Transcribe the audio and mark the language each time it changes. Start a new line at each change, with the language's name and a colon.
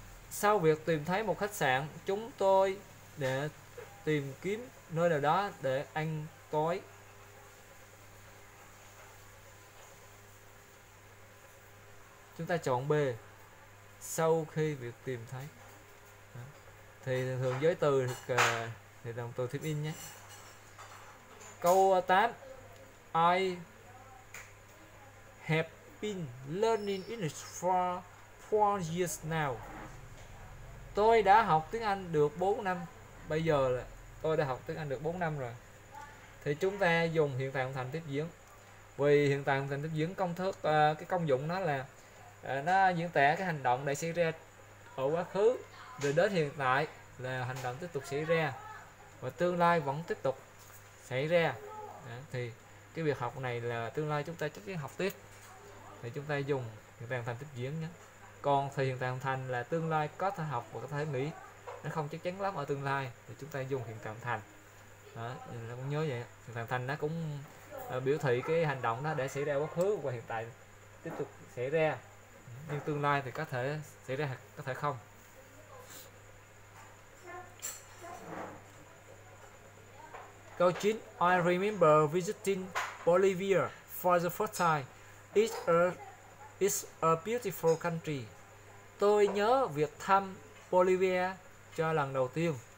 Vietnamese: Sau việc tìm thấy một khách sạn, chúng tôi để tìm kiếm nơi nào đó để ăn tối. Chúng ta chọn B. Sau khi việc tìm thấy thì thường giới từ thì đồng từ thêm in nhé. Câu 8.
English: I have been learning English for 4 years now.
Vietnamese: Tôi đã học tiếng Anh được 4 năm. Bây giờ là tôi đã học tiếng Anh được 4 năm rồi. Thì chúng ta dùng hiện tại thành tiếp diễn. Vì hiện tại thành tiếp diễn công thức, cái công dụng nó là nó diễn tả cái hành động đã xảy ra ở quá khứ, rồi đến hiện tại là hành động tiếp tục xảy ra, và tương lai vẫn tiếp tục xảy ra. Thì cái việc học này là tương lai chúng ta chắc chắn học tiếp, thì chúng ta dùng hiện tại thành tiếp diễn nhé. Còn thì hiện tại thành là tương lai có thể học và có thể nghĩ, nó không chắc chắn lắm ở tương lai, thì chúng ta dùng hiện tại thành. Đó, cũng nhớ vậy. Hiện tại thành nó cũng biểu thị cái hành động đó đã xảy ra quá khứ và hiện tại tiếp tục xảy ra, nhưng tương lai thì có thể xảy ra, có thể không. Câu 9.
English: I remember visiting Bolivia for the first time. It's a beautiful country.
Vietnamese: Tôi nhớ việc thăm Bolivia cho lần đầu tiên.